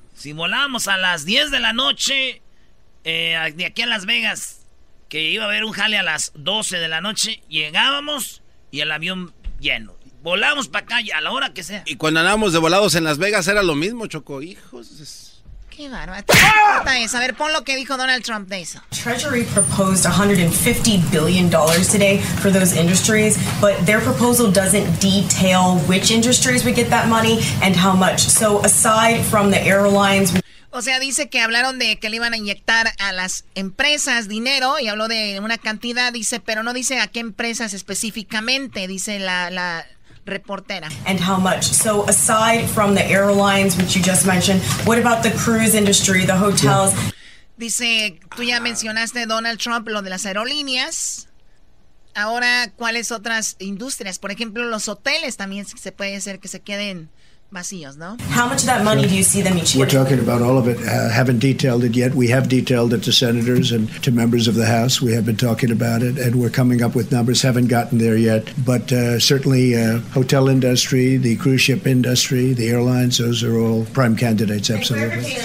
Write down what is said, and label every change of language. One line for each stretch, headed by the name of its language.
Spanish: Si volábamos a las 10 de la noche de aquí a Las Vegas, que iba a haber un jale a las 12 de la noche, llegábamos y el avión lleno. Volábamos para acá a la hora que sea. Y cuando andábamos de volados en Las Vegas era lo mismo, Choco. Hijos. Qué barbaridad. A ver, pon lo que dijo Donald Trump de eso.
English: Treasury proposed $150 billion today for those industries, but their proposal doesn't detail which industries would get that money and how much. So aside from the airlines...
Spanish: O sea, dice que hablaron de que le iban a inyectar a las empresas dinero y habló de una cantidad, dice, pero no dice a qué empresas específicamente, dice la reportera.
English: And how much? So aside from the airlines, which you just mentioned, what about the cruise industry, the hotels... Yeah.
Spanish: Dice, tú ya mencionaste, Donald Trump, lo de las aerolíneas. Ahora, ¿cuáles otras industrias? Por ejemplo, los hoteles también se puede hacer que se queden vacíos, ¿no?
English: How much of that money do you see them each year? We're talking about all of it. Haven't detailed it yet. We have detailed it to senators and to members of the House. We have been talking about it, and we're coming up with numbers. Haven't gotten there yet. But certainly, hotel industry, the cruise ship industry, the airlines, those are all prime candidates, absolutely.